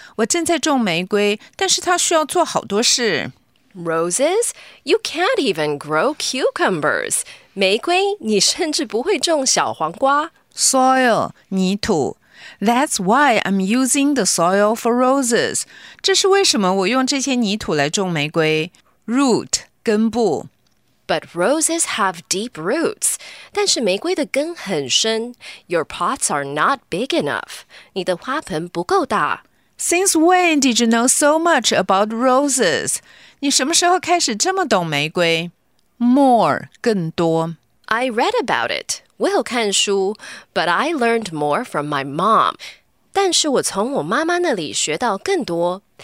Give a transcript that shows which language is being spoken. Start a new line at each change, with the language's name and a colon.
Chinese: 我正在种玫瑰，但是它需要做好多事。
English: Roses? You can't even grow cucumbers.
Chinese: 玫瑰，你甚至不会种小黄瓜。
English: Soil, 泥土。 That's why I'm using the soil for roses.
Chinese: 这是为什么我用这些泥土来种玫瑰。
English: Root, 根部。 But roses have deep roots.
Chinese: 但是玫瑰的根很深。
English: Your pots are not big enough.
Chinese: 你的花盆不够大。
English: Since when did you know so much about roses?
Chinese: 你什么时候开始这么懂玫瑰？
English: More, 更多。 I read about it.
Chinese: 我有看书。
English: But I learned more from my mom.
Chinese: 但是我从我妈妈那里学到更多。